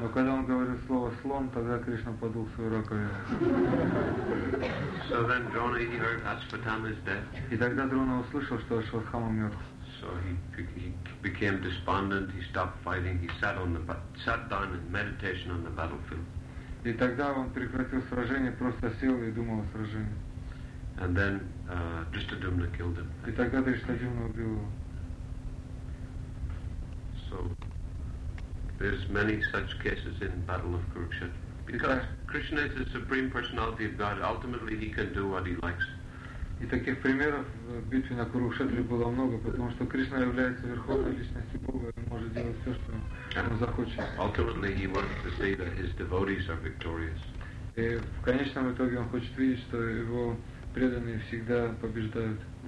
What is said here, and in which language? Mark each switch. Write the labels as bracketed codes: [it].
[ru] Но когда он говорил слово слон, тогда Кришна подул свою раковину. [en] So then Drona, he heard Ashwatthama is dead. [ru] И тогда Дрона услышал, что Ашватхама мертв. [en] So he became despondent. He stopped fighting. He sat down in meditation on the battlefield. [ru] И тогда он прекратил сражение, просто сел и думал о сражении. [en] And then Drishtadyumna killed him. [ru] И тогда Дриштадюмна убил его. [en] So there's many such cases in battle of Kurukshetra. Because Krishna is the supreme personality of God. Ultimately, he can do what he likes. [ru] И таких примеров в битве на Курукшетре было много, потому что Кришна является верховной личностью Бога и может делать все, что он захочет. [en] Ultimately, he wants to see that his devotees are victorious. [ru] И в конечном итоге он хочет видеть, что его преданные всегда побеждают.